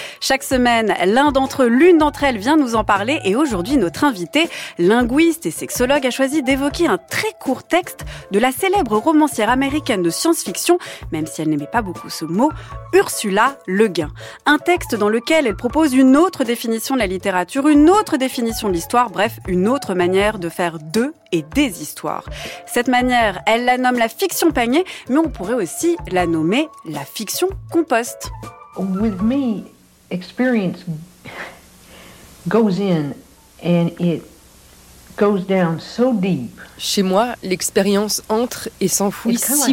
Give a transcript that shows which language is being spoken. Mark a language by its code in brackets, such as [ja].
[fr] Chaque semaine, l'une d'entre elles vient nous en parler et aujourd'hui, notre invitée, linguiste et sexologue, a choisi d'évoquer un très court texte de la célèbre romancière américaine de science-fiction, même si elle n'aimait pas beaucoup ce mot, Ursula Le Guin. Un texte dans lequel elle propose une autre définition de la littérature, une autre définition de l'histoire, bref, une autre manière de faire de et des histoires. Cette manière, elle la nomme la fiction panier, mais on pourrait aussi la nommer la fiction compost. [en] With me, experience goes in and it goes down so deep. [fr] Chez moi, l'expérience entre et s'enfouit si